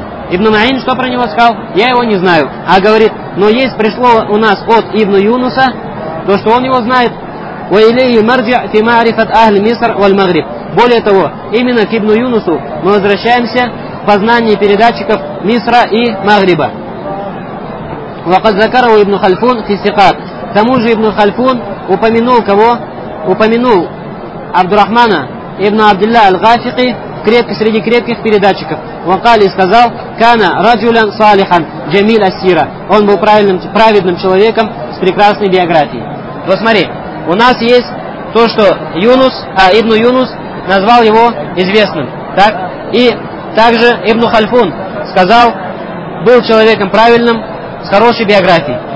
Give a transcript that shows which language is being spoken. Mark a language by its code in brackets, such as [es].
[ru] Ибн Маин что про него сказал? Я его не знаю. А говорит, но есть пришло у нас от Ибн Юнуса, то, что он его знает. [ar] وَإِلَيْهِ مَرْجِعْ فِي مَعْرِفَةْ أَهْلِ مِصَرْ وَالْمَغْرِبْ. [ru] Более того, именно к Ибну Юнусу мы возвращаемся в познании передатчиков Мисра и Магриба. [ar] وَقَدْ ذَكَرَهُ Ибн Хальфун فِي سِقَاتْ. [ru] К тому же Ибн Хальфун упомянул кого? Упомянул Абдурахмана Ибн Абдилля Аль-Гафики среди крепких передатчиков. [ar] وَقَالِ сказал, كَانَ رَجُلًا صَالِحًا جَمِيلَ السِّيرَ. [ru] Он был праведным человеком с прекрасной биографией. Вот смотри, у нас есть то, что Ибн Юнус назвал его известным. Так? И также Ибн Хальфун сказал, был человеком правильным, с хорошей биографией.